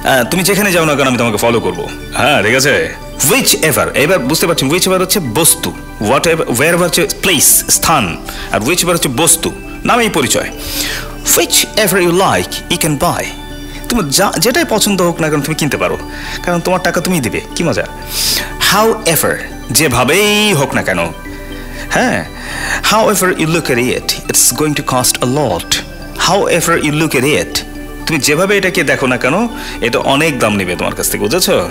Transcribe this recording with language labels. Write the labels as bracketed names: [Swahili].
[Bangla] তুমি যেখানে যাও না কেন, আমি তোমাকে ফলো করবো। হ্যাঁ, ঠিক আছে। Whichever, এবার বুঝতে পারছেন, whichever হচ্ছে বস্তু, হোয়াট এভার, ওয়ার হচ্ছে প্লেস, স্থান, আর whichever হচ্ছে বস্তু, নামেই পরিচয়। [English] Whichever you like, you can buy, [Bangla] তুমি যা যেটাই পছন্দ হোক না কেন তুমি কিনতে পারো, কারণ তোমার টাকা তুমিই দেবে, কী মজা। [English] However, [Bangla] যেভাবেই হোক না কেন, হ্যাঁ, [English] However you look at it, it's going to cost a lot. However you look at it, [Bangla] তুমি যেভাবে এটাকে দেখো না কেন, এটা অনেক দাম নেবে তোমার কাছ থেকে, বুঝেছ?